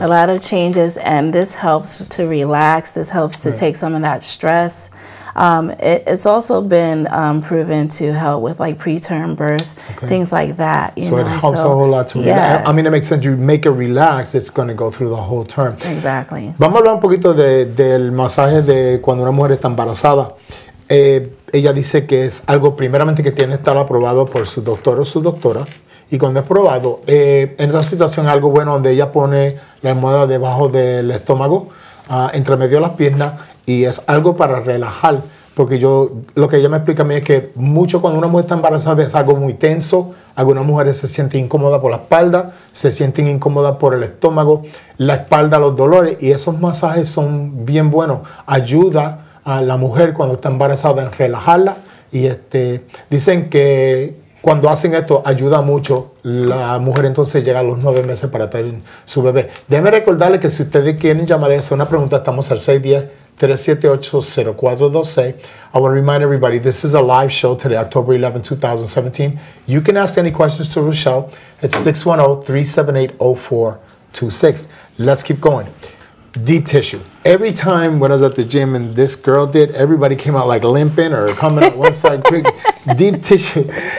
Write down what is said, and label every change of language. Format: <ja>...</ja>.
<en>A lot of changes, and this helps to relax. This helps to take some of that stress It's also been proven to help with like preterm birth, things like that. It helps a whole lot to relax. I mean, it makes sense. You make it relax, it's going to go through the whole term. Exactly.</en> <es>Vamos a hablar un poquito del masaje de cuando una mujer está embarazada. Ella dice que es algo primeramente que tiene que estar aprobado por su doctor o su doctora. Y cuando es probado, en esa situación algo bueno donde ella pone la almohada debajo del estómago, entre medio de las piernas, y es algo para relajar. Porque yo, lo que ella me explica a mí es que mucho cuando una mujer está embarazada es algo muy tenso. Algunas mujeres se sienten incómodas por la espalda, se sienten incómodas por el estómago, la espalda, los dolores. Y esos masajes son bien buenos. Ayuda a la mujer cuando está embarazada en relajarla. Y dicen que cuando hacen esto, ayuda mucho. La mujer entonces llega a los 9 meses para tener su bebé. Déjenme recordarles que si ustedes quieren llamar y hacer una pregunta, estamos al 610-378-0426.</es> <en>I want to remind everybody, this is a live show today, October 11, 2017. You can ask any questions to Rochelle at 610-378-0426. Let's keep going. Deep tissue. Every time when I was at the gym and this girl did, everybody came out like limping or coming out one side quick. Deep tissue.</en>